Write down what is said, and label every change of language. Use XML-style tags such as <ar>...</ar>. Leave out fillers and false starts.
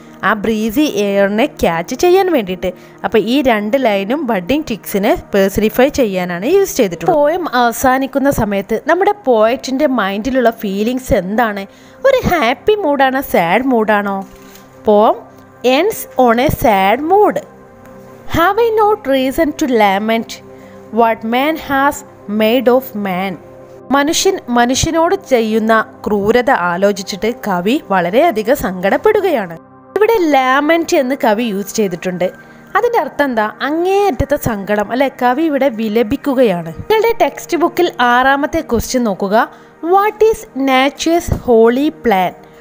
<ml>ആ Breezy എയറിനെ catch ചെയ്യാൻ വേണ്ടിയിട്ട്. അപ്പോൾ ഈ രണ്ട് ലൈനും ബഡ്ഡിംഗ് ടിക്സിനെ പേഴ്സണിഫൈ ചെയ്യാനാണ് യൂസ് ചെയ്തിട്ടുള്ളത്. പോയം അവസാനിക്കുന്ന സമയത്ത് നമ്മുടെ പോയറ്റിൻ്റെ മൈൻഡിലുള്ള ഫീലിങ്സ് എന്താണ്? ഒരു ഹാപ്പി മൂഡാണോ, സാഡ് മൂഡാണോ? പോം</ml> <en>ends on a sad mood. Have I not reason to lament what man has made of man?</en> <ml>മനുഷ്യനോട് ചെയ്യുന്ന ക്രൂരത ആലോചിച്ചിട്ട് കവി വളരെയധികം സങ്കടപ്പെടുകയാണ്. ഇവിടെ ലാമെൻറ്റ് എന്ന് കവി യൂസ് ചെയ്തിട്ടുണ്ട്. അതിൻ്റെ അർത്ഥം എന്താ? അങ്ങേയറ്റത്തെ സങ്കടം, അല്ലെ? കവി ഇവിടെ വിലപിക്കുകയാണ്. നിങ്ങളുടെ ടെക്സ്റ്റ് ബുക്കിൽ ആറാമത്തെ ക്വസ്റ്റ്യൻ നോക്കുക.</ml> <en>What is nature's holy plan?</en>